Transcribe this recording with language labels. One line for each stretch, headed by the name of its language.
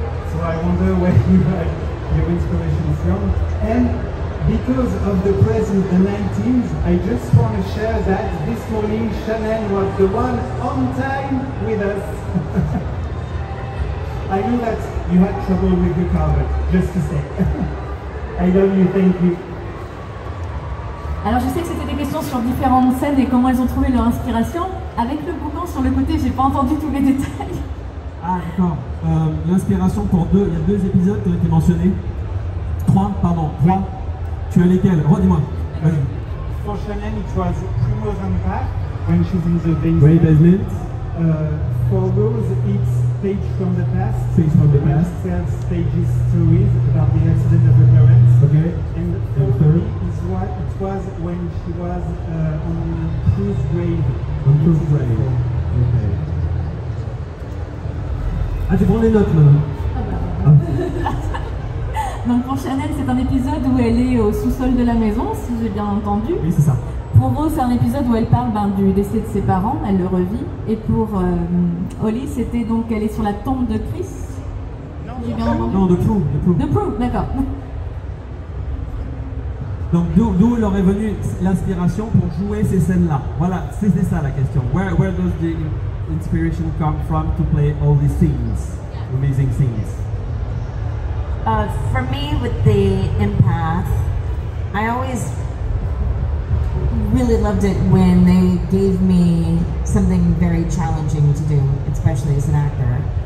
English: So I wonder where you got your inspiration from. And because of the press in the 19s, I just want to share that this morning Shannon was the one on time with us. I knew that you had trouble with the car, but just to say. I love you, thank you.
French: Alors je sais que c'était des questions sur différentes scènes et comment elles ont trouvé leur inspiration. Avec le bouquin sur le côté, j'ai pas entendu tous les détails. Ah d'accord. L'inspiration pour deux, il y a deux épisodes qui ont été mentionnés. Trois. Tu as lesquels? Redis-moi. Vas-y.
English: For Shannon, it was Primrose and Path when she's in the basement. For Rose, it's Page from the Past. Page from the Past. She tells Page's stories about the accident of her parents. Okay. And for me, it was when she was on Cruise Grave. On Cruise Grave. Okay.
French: Ah, tu prends les notes, madame. Donc pour Shannon, c'est un épisode où elle est au sous-sol de la maison, si j'ai bien entendu. Oui, c'est ça. Pour Rose, c'est un épisode où elle parle du décès de ses parents, elle le revit. Et pour Holly, c'était donc elle est sur la tombe de Chris. Non, de Prue. De Prue, d'accord. Donc d'où leur est venue l'inspiration pour jouer ces scènes-là? Voilà, c'est ça la question.
English: Where does the inspiration come from to play all these scenes, amazing scenes? For me, with the empath, I always really loved it when they gave me something very challenging to do, especially as an actor.